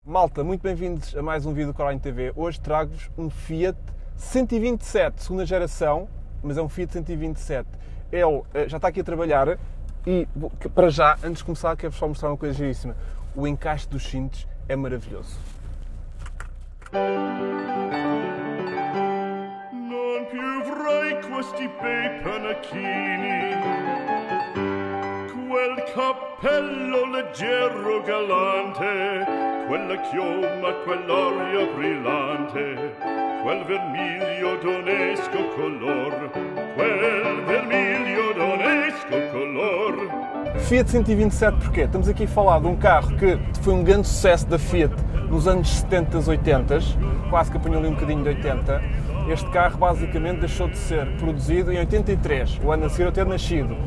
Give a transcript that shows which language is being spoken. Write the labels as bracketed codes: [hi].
[pt] Malta, muito bem-vindos a mais um vídeo do Coraline TV. Hoje trago-vos um Fiat 127, segunda geração, mas é um Fiat 127. Ele já está aqui a trabalhar e, para já, antes de começar, quero-vos só mostrar uma coisa giríssima. O encaixe dos cintos é maravilhoso. [it] Non più vorrei questi bei panacchini, quel cappello leggero galante, quella chioma, quell'aria brillante, quel vermiglio d'onesco color, quel vermiglio d'onesco color. [pt] Fiat 127 porquê? Estamos aqui a falar de um carro que foi um grande sucesso da Fiat nos anos 70, 80, quase que apanhou ali um bocadinho de 80. Este carro basicamente deixou de ser produzido em 83, o ano a seguir eu ter nascido.